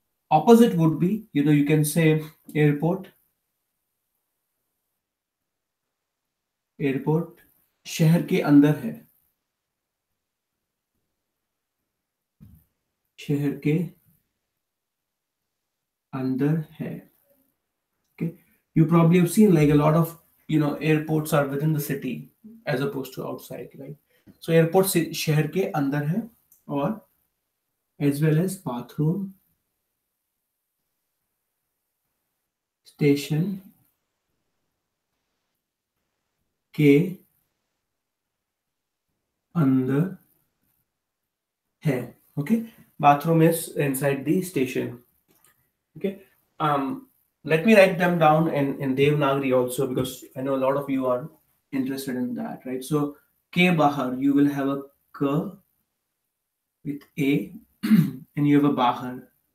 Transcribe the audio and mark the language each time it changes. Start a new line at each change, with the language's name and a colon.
English: Opposite would be, you know, you can say airport
Hindi: sheher ke andar hai. शहर के अंदर है.
English: Okay, you probably have seen like a lot of, you know, airports are within the city as opposed to outside, right?
Hindi: So airport शहर के अंदर है, और
English: as well as
Hindi: bathroom station के अंदर है.
English: Okay. Bathroom is inside the station. Okay. Let me write them down in Devanagari also, because I know a lot of you are interested in that, right? So
Hindi: K Bahar,
English: you will have a K with A, and you have a Bahar.